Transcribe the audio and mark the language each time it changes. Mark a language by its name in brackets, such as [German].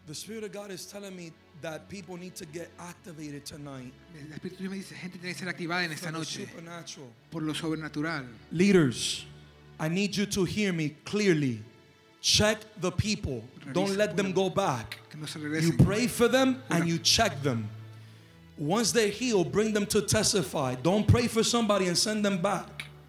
[English] The Spirit of God is telling me that people need to get activated tonight. [Spanish] El Espíritu me dice, gente tiene que ser activada en esta noche. [English] Supernatural. [Spanish] Por lo sobrenatural. [English] Leaders, I need you to hear me clearly. Check the people. [Spanish] Revisa. [English] Don't let them go back. [Spanish] Que no se regresen. [English] You pray for them and you check them. Once they're healed, bring them to testify. Don't pray for somebody and send them back.